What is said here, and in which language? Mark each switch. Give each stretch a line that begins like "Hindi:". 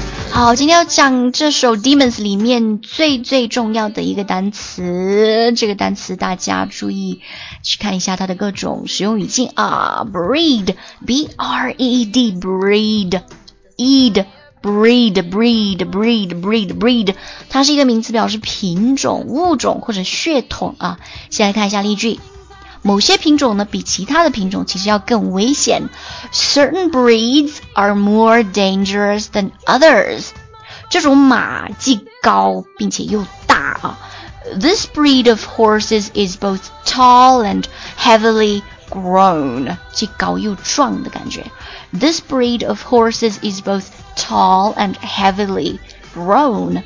Chinese: 好，今天要讲这首 Demons 里面最最重要的一个单词，这个单词大家注意去看一下它的各种使用语境啊。 Breed， B-R-E-E-D， Breed， Eed， Breed， Breed， Breed， Breed， Breed， 它是一个名词，表示品种、物种或者血统啊。先来看一下例句，某些品种呢比其他的品种其实要更危险。
English: Certain breeds are more dangerous than others。
Chinese: 这种马既高并且又大啊。
English: This breed of horses is both tall and heavily grown.
Chinese: 既高又壮的感觉。
English: This breed of horses is both tall and heavily grown.